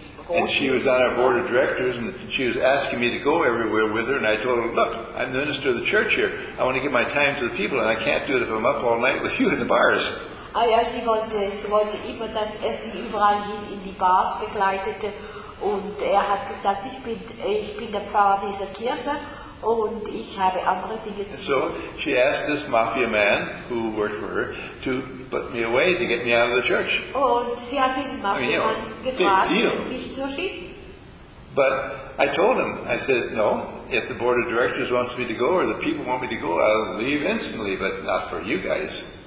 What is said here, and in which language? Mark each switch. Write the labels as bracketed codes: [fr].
[en] And she was on our board of directors, and she was asking me to go everywhere with her. And I told her, look, I'm the minister of the church here. I want to give my time to the people, and I can't do it if I'm up all night with you in the bars. [de] Ja, sie wollte immer, dass er sie überall hin in die Bars begleitete. Und er hat gesagt, ich bin der Pfarrer dieser Kirche. Und ich habe andere Dinge zu tun. [en] So she asked this mafia man who worked for her to put me away to get me out of the church. [de] Und sie hat diesen Mafia-Mann gefragt, mich zu erschießen. [en] But I told him, I said, no, if the board of directors wants me to go or the people want me to go, I'll leave instantly, but not for you guys.